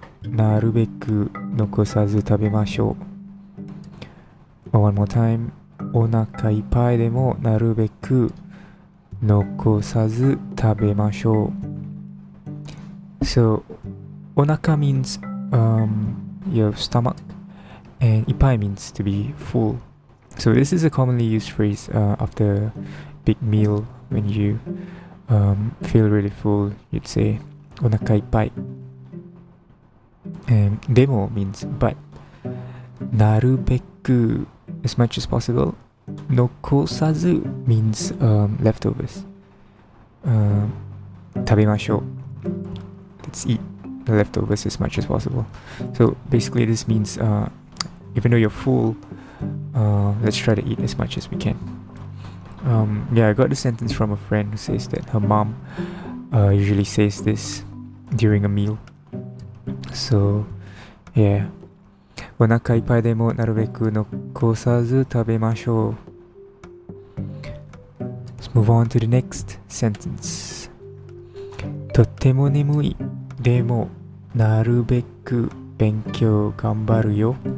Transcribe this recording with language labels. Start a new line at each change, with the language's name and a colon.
Japanese: お腹いっぱいでもなるべく残さず食べましょう.
English: Oh, one more time.
Japanese: お腹いっぱいでもなるべく 残さず食べましょう.
English: So, onaka means your stomach, and ippai means to be full. So this is a commonly used phrase after big meal when you feel really full. You'd say
Japanese: onaka ippai.
English: And demo means but. Narubeku, as much as possible. Nokosazu means leftovers.
Japanese: Tabemashou.
English: Let's eat the leftovers as much as possible. So basically this means even though you're full, let's try to eat as much as we can. I got the sentence from a friend who says that her mom usually says this during a meal. So yeah.
Japanese: お腹いっぱいでもなるべく残さず食べましょう.
English: Move on to the next sentence.
Japanese: とても眠いでもなるべく勉強頑張るよ.